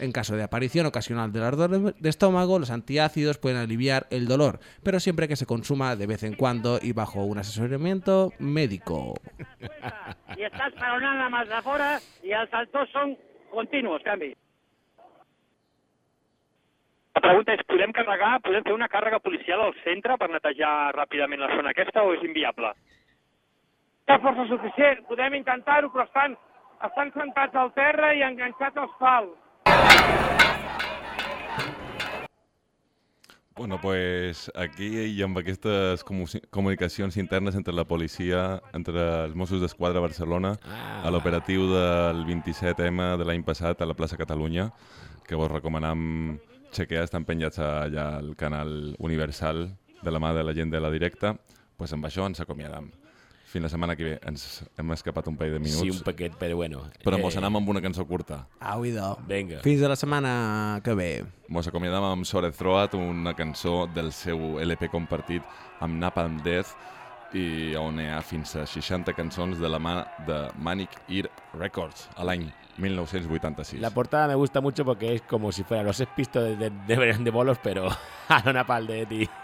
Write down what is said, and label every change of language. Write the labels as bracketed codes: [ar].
[es] En caso de aparición ocasional del ardor de estómago, los antiácidos pueden aliviar el dolor, pero siempre que se consuma de vez en cuando y bajo un asesoramiento médico. Y estás para una nada más afuera y al salto son continuos, canvi. [ca] La pregunta és, podem fer una càrrega policial al centre per netejar ràpidament la zona aquesta o és inviable? Té força suficient, podem intentar-ho, però estan sentats al terra i enganxats als pals. Bueno, pues aquí i amb aquestes comunicacions internes entre la policia, entre els Mossos d'Esquadra a Barcelona, a l'operatiu del 27M de l'any passat a la plaça Catalunya, que vos recomanam chequear, estan penjats allà al canal Universal de la mà de la gent de la directa, pues amb això ens acomiadam. Fins la setmana que ve. Ens hem escapat un parell de minuts. Sí, un paquet, però bueno. Però mos anam amb una cançó curta. Au, idò. Vinga. Fins a la setmana que ve. Mos acomiadam amb Sore Throat, una cançó del seu LP compartit amb Napalm Death, i on hi ha fins a 60 cançons de la mà de Manic Ear Records a l'any 1986. [es] La portada me gusta mucho porque es como si fuera los espistos de bolos, pero a lo Napalm Death.